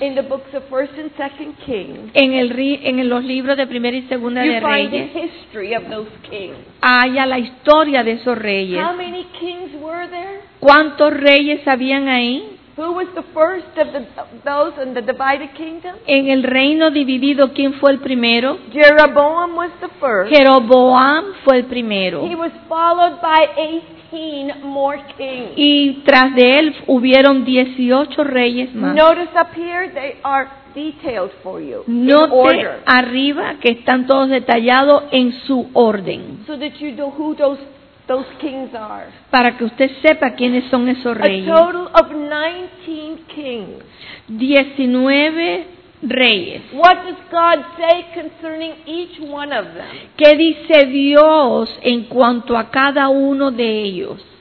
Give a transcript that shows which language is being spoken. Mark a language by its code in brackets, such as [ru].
[en] In the books of First and Second Kings. [es] En los libros de Primera y Segunda de Reyes. [en] You find the history of those kings. [es] Haya la historia de esos reyes. [en] How many kings were there? [es] ¿Cuántos reyes habían ahí? [en] Who was the first of those in the divided kingdom? [es] En el reino dividido, ¿quién fue el primero? [en] Jeroboam was the first. [es] Jeroboam fue el primero. [en] He was followed by 18 more kings. [es] Y tras de él hubieron 18 reyes más. [en] Notice up here, they are detailed for you. [es] Note arriba que están todos detallados en su orden. [en] So that you know who those kings are. [es] Para que usted sepa quiénes son esos reyes. [en] A total of 19 kings. [es] 19 reyes. [en] What does God say concerning each one of them? [es] ¿Qué dice Dios en cuanto a cada uno de ellos?